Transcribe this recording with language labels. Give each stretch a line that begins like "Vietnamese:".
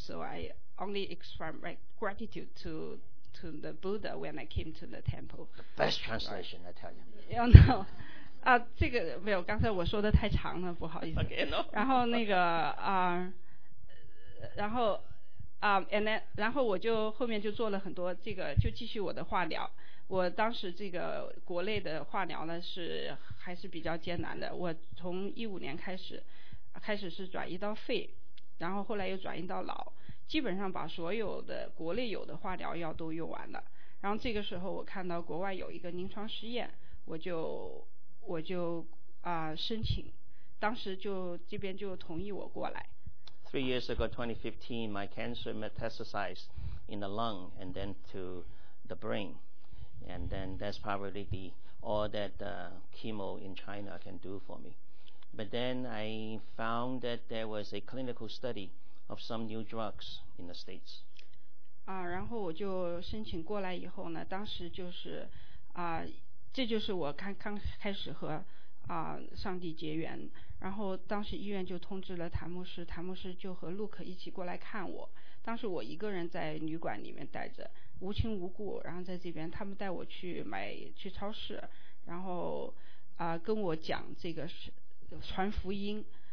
English: So I only express my gratitude to the Buddha when I came to the temple. The best translation, I tell you. Oh, no.
Chinese: 这个没有，刚才我说的太长了，不好意思。
English: Okay, no.
Chinese: 然后那个然后
English: and then,
Chinese: 然后我就后面就做了很多这个，就继续我的化疗。我当时这个国内的化疗呢是还是比较艰难的。我从2015年开始是转移到肺，然后后来又转移到脑，基本上把所有的国内有的化疗药都用完了。然后这个时候我看到国外有一个临床试验，我就申请，当时就这边就同意我过来。
English: 3 years ago, 2015, my cancer metastasized in the lung and then to the brain. And then that's probably all that chemo in China can do for me. But then I found that there was a clinical study of some new drugs in the States.
Chinese: 然后我就申请过来以后呢，当时就是这就是我刚开始和上帝结缘。然后当时医院就通知了谭牧师就和 Luke 一起过来看我。当时我一个人在旅馆里面待着，无亲无故，然后在这边他们带我去超市，然后跟我讲这个传福音。